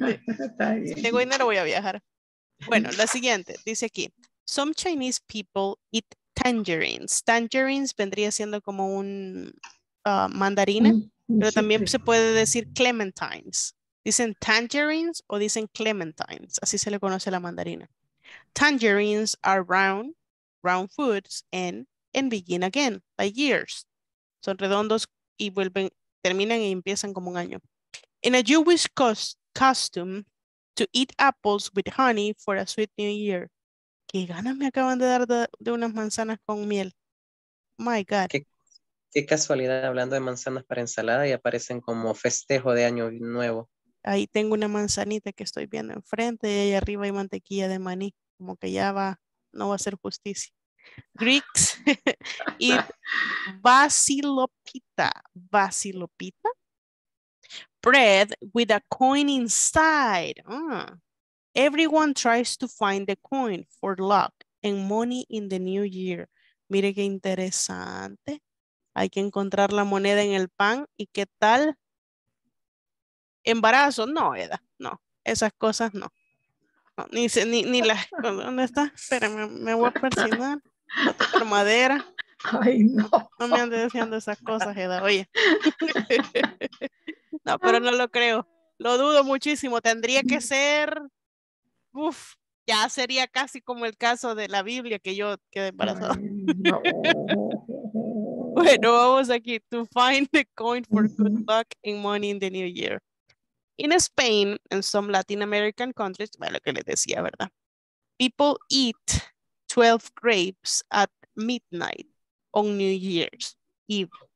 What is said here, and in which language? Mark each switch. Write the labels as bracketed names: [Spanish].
[Spanish] Si tengo dinero, voy a viajar. Bueno, la siguiente. Dice aquí, [English] some Chinese people eat tangerines. [Spanish] Tangerines vendría siendo como un mandarina, pero también se puede decir clementines. ¿Dicen tangerines o dicen clementines? Así se le conoce a la mandarina. [English] Tangerines are round foods and begin again by years. [Spanish] Son redondos y vuelven, terminan y empiezan como un año. [English] In a Jewish custom to eat apples with honey for a sweet new year. [Spanish] ¿Qué ganas me acaban de dar de unas manzanas con miel? [English] My God. [Spanish] ¿Qué, Qué casualidad, hablando de manzanas para ensalada y aparecen como festejo de año nuevo. Ahí tengo una manzanita que estoy viendo enfrente y ahí arriba hay mantequilla de maní. Como que ya va, no va a ser justicia. Greeks y basilopita. [English] Basilopita. Bread with a coin inside. Everyone tries to find the coin for luck and money in the new year. [Spanish] Mire qué interesante. Hay que encontrar la moneda en el pan. ¿Y qué tal? ¿Embarazo? No, Eda. No, esas cosas no. No, ni las... ¿Dónde está? Espérame, me voy a persignar. Por madera. Ay, no. No me ande diciendo esas cosas, Eda. Oye. No, pero no lo creo. Lo dudo muchísimo. Tendría que ser... Uf, ya sería casi como el caso de la Biblia que yo quedé embarazada. Bueno, vamos aquí. [English] To find the coin for good luck and money in the new year. In Spain, in some Latin American countries, [Spanish] bueno, lo que les decía, ¿verdad? [English] People eat 12 grapes at midnight on New Year's Eve.